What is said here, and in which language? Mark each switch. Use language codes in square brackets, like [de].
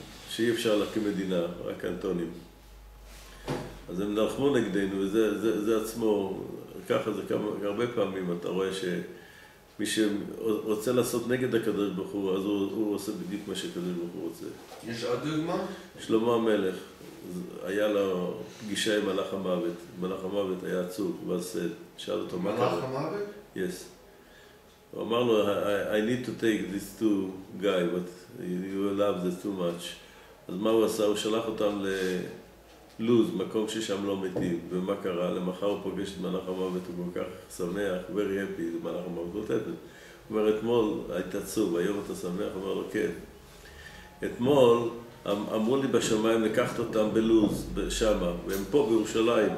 [he] שאי אפשר להקים מדינה, רק קנטונים. אז הם נלחמו נגדנו, וזה זה עצמו, ככה זה כמה, הרבה פעמים אתה רואה ש... מי שרוצה לעשות נגד הקדוש ברוך הוא, אז הוא עושה בדיוק מה שקדוש ברוך הוא רוצה. יש עוד דוגמה? שלמה המלך, היה לו פגישה עם מלאך המוות. מלאך המוות היה עצוב, ועשה, שאל אותו מה קרה. מלאך המוות? כן. [en] Yes. [he] הוא אמר לו, [en] I need to take these two guys, but you love this too much. [he] אז מה הוא עשה? הוא שלח אותם ללוז, מקום ששם לא מתים, ומה קרה? למחר הוא פוגש את מלאך המוות, הוא כל כך שמח, [en] very happy, [he] זה מלאך המוות נותנת. הוא אומר, אתמול היית עצוב, היום אתה שמח? הוא אומר לו, כן. אתמול אמרו לי בשמיים, לקחת אותם בלוז, שמה, והם פה בירושלים.